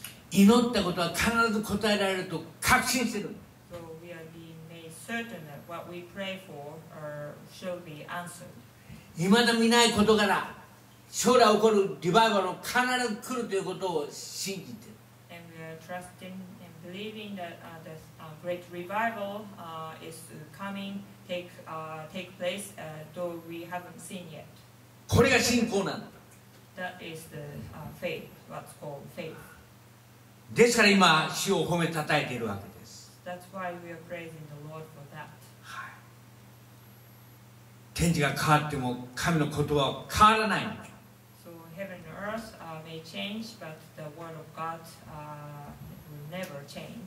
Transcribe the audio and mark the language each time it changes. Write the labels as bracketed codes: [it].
[ja] 祈ったことは必ず答えられると確信する。 [en] So we are being made certain that what we pray for shall be answered. [ja] 未だ見ないことから将来起こるリバイバルが必ず来るということを信じている。 [en] And we are trusting and believing that the great revival is coming. Take place, though we haven't seen yet. [ja] これが信仰なんだ。 [en] That is the faith, what's called faith. [ja] ですから今主を褒めたたえているわけです。 [en] That's why we are praising the Lord for that. はい。 [ja] 天地が変わっても神の言葉は変わらない。 [en] So heaven and earth may change, but the word of God will never change.